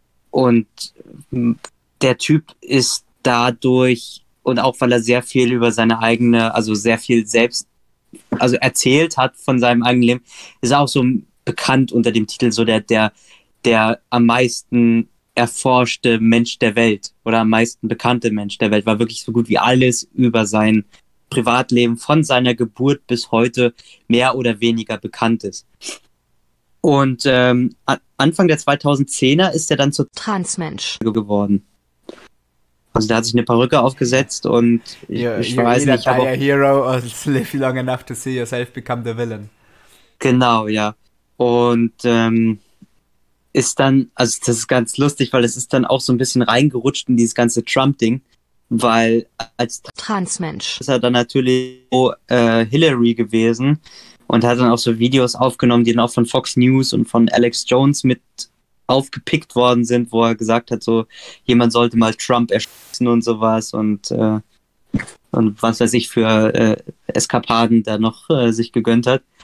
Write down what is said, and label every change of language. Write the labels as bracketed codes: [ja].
[de] Und der Typ ist dadurch, und auch weil er sehr viel über seine eigene, also sehr viel selbst, also erzählt hat von seinem eigenen Leben, ist auch so bekannt unter dem Titel so der am meisten erforschte Mensch der Welt oder am meisten bekannte Mensch der Welt, weil wirklich so gut wie alles über sein Privatleben von seiner Geburt bis heute mehr oder weniger bekannt ist. Und Anfang der 2010er ist er dann zur Transmensch geworden. Also der hat sich eine Perücke aufgesetzt und ich weiß nicht. [en] You either die a hero or live long enough to see yourself become the villain. [de] Genau, ja. Und ist dann, also das ist ganz lustig, weil es ist dann auch so ein bisschen reingerutscht in dieses ganze Trump-Ding, weil als Transmensch ist er dann natürlich Hillary gewesen und hat dann auch so Videos aufgenommen, die dann auch von Fox News und von Alex Jones mit aufgepickt worden sind, wo er gesagt hat, so jemand sollte mal Trump erschießen und sowas und was weiß ich für Eskapaden da noch sich gegönnt hat.